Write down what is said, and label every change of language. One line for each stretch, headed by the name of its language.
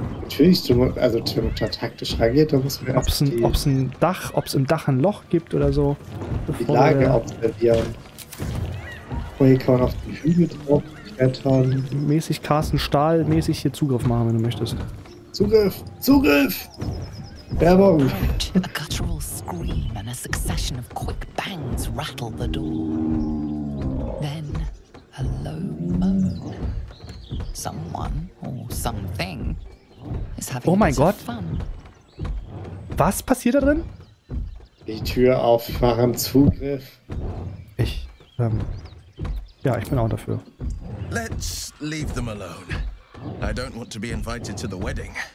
German: Natürlich, also wenn man da taktisch reingeht, da muss man erst. Ob es ein Dach, ob es im Dach ein Loch gibt oder so. Die Lage observieren. Hier kann man auf die Hügel draufklettern. Mäßig Carsten Stahl, mäßig hier Zugriff machen, wenn du möchtest. Zugriff!
English: Werbung! A guttural scream and a succession of quick bangs rattle the door. Then a low moan. Someone or something is having a fun.
German: Oh mein Gott! Was passiert da drin? Die Tür aufmachen, Zugriff. Ich, ja, ich bin auch dafür.
English: Let's leave them alone. I don't want to be invited to the wedding.